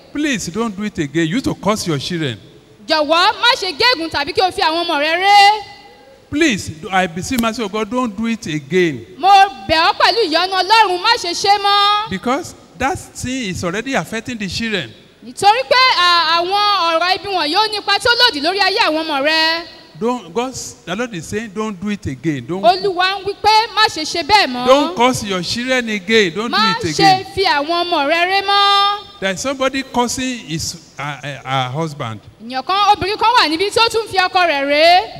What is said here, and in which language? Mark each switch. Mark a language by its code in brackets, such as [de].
[en] Please don't do it again, you to curse your children. [yo] Jọ̀wọ́ má ṣe gégùn tàbí kí o fi àwọn ọmọ rẹ ré. [en] Please, I beseech mercy of God, don't do it again. [yo] Mo bẹ̀ ọ́ pẹ̀lú ìyọnu Ọlọ́run, má ṣe ṣe mọ́. [en] Because that thing is already affecting the children. [yo] Nítorí pé àwọn ọ̀rọ̀ ibi wọ̀nyí ó nípa tí ó lòdì lórí ayé àwọn ọmọ rẹ. [en] The Lord is saying, don't do it again. [yo] Olúwa ń wí pé má ṣe ṣe bẹ́ẹ̀ mọ́. [en] Don't curse your children again. Don't do it again. [yo] Má ṣe fi àwọn ọmọ rẹ ré mọ́. [en] There is somebody cursing his husband. [yo] Ìyànkan obìnrin kan wà níbi tí ó tún fi ọkọ rẹ̀ ré.